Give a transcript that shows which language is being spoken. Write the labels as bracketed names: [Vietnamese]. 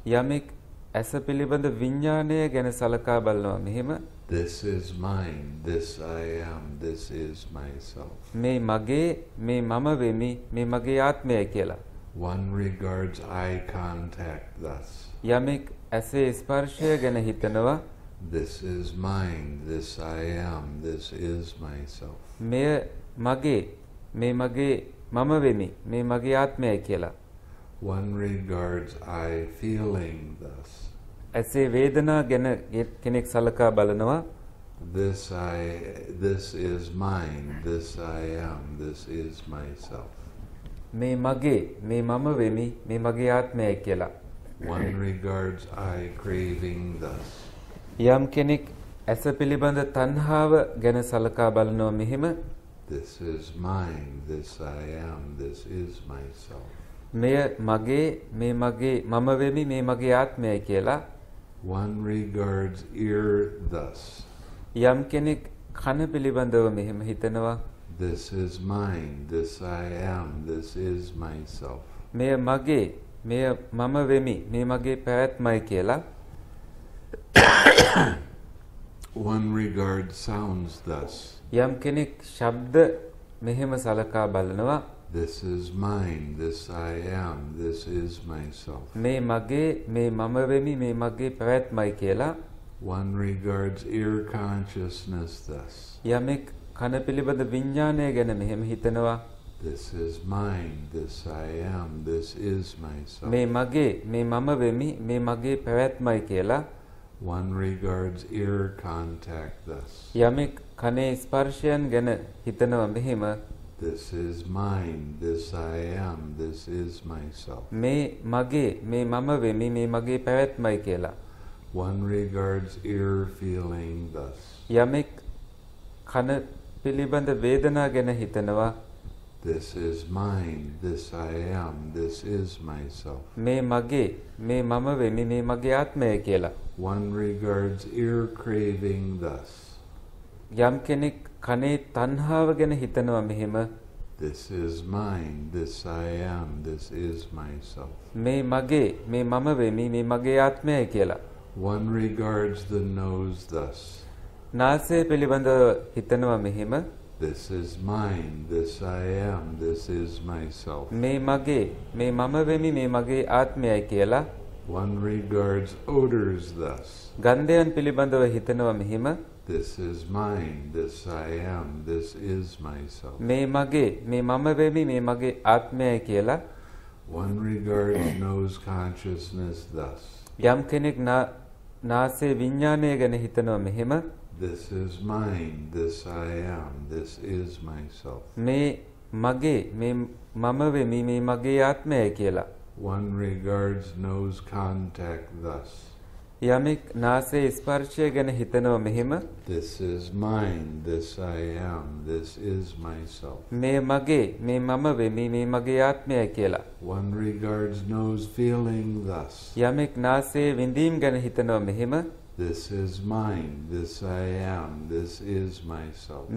[Sinhala] යමෙක් ඇස පිළිබඳ විඥාණය ගැන සලකා බලනවා මෙහෙම. [English] This is mine, this I am, this is myself. [Sinhala] මේ මගේ මේ මම වෙමි මේ මගේ ආත්මයයි කියලා. [English] One regards eye contact thus. [Sinhala] යමෙක් ඇසේ ස්පර්ශය ගැන හිතනවා. [English] This is mine, this I am, this is myself. [Sinhala] මෙය මගේ මේ මගේ මම වෙමි මේ මගේ ආත්මයයි කියලා. [English] One regards eye feeling thus. [Sinhala] ඇසේ වේදනා ගැන කෙනෙක් සලකා බලනවා. [English] This is mine, this I am, this is myself. [Sinhala] මේ මගේ මේ මම වෙමි මේ මගේ ආත්මයයි කියලා. [English] One regards I craving thus. [Sinhala] යම් කෙනෙක් ඇස පිළිබඳ තණ්හාව ගැන සලකා බලනවා මෙහෙම. [English] This is mine, this I am, this is myself. [Sinhala] මෙය මගේ මේ මගේ මම වෙමි මේ මගේ ආත්මයයි කියලා. [English] One regards ear thus. [Sinhala] යම් කෙනෙක් කන පිළිබඳව මෙහෙම හිතනවා. [English] This is mine, this I am, this is myself. [Sinhala] මෙය මගේ, මෙය මම වෙමි, මේ මගේ පැවැත්මයි කියලා. [English] One regards sounds thus. [Sinhala] යම් කෙනෙක් ශබ්ද මෙහෙම සලකා බලනවා. [English] This is mine, this I am, this is myself. [Sinhala] මේ මගේ, මේ මම වෙමි, මේ මගේ පැවැත්මයි කියලා. [English] One regards ear consciousness thus. [Sinhala] යමෙක් කන පිළිබඳ විඥාණය ගැන මෙහෙම හිතනවා. [English] This is mine, this I am, this is myself. [Sinhala] මේ මගේ, මේ මම වෙමි, මේ මගේ පැවැත්මයි කියලා. [English] One regards ear contact thus. [Sinhala] යමෙක් කනේ ස්පර්ශයන් ගැන හිතනවා මෙහෙම. [English] This is mine, this I am, this is myself. [Sinhala] මේ මගේ, මේ මම වෙමි, මේ මගේ පැවැත්මයි කියලා. [English] One regards ear feeling thus. [Sinhala] යමෙක් කන පිළිබඳ වේදනා ගැන හිතනවා. [English] This is mine, this I am, this is myself. [Sinhala] මේ මගේ, මේ මම වෙමි, මේ මගේ ආත්මයයි කියලා. [English] One regards ear craving thus. [Sinhala] යම් කෙනෙක් කනේ තණ්හාව ගැන හිතනවා මෙහෙම. [English] This is mine, this I am, this is myself. [Sinhala] මේ මගේ, මේ මම වෙමි, මේ මගේ ආත්මයයි කියලා. [English] One regards the nose thus. [Sinhala] නාසය පිළිබඳ හිතනවා මෙහෙම. [English] This is mine, this I am, this is myself. [Sinhala] මේ මගේ, මේ මම වෙමි, මේ මගේ ආත්මයයි කියලා. [English] One regards odors thus. [Sinhala] ගන්ධයන් පිළිබඳව හිතනවා මෙහෙම. [English] This is mine, this I am, this is myself. [Sinhala] මේ මගේ, මේ මම වෙමි, මේ මගේ ආත්මයයි කියලා. [English] One regards nose consciousness thus. [Sinhala] යම් කෙනෙක් නාසයේ විඥාණය ගැන හිතනවා මෙහෙම. [English] This is mine, this I am, this is myself. [Sinhala] මේ මගේ, මේ මම වෙමි, මේ මගේ ආත්මයයි කියලා. [English] One regards nose contact thus. [Sinhala] යමෙක් නාසයේ ස්පර්ශය ගැන හිතනවා මෙහෙම. [English] This is mine, this I am, this is myself. [Sinhala] මේ මගේ, මේ මම වෙමි, මේ මගේ ආත්මයයි කියලා. [English] One regards nose feeling thus. [Sinhala] යමෙක් නාසයේ විඳීම ගැන හිතනවා මෙහෙම. [English] This is mine, this I am, this is myself.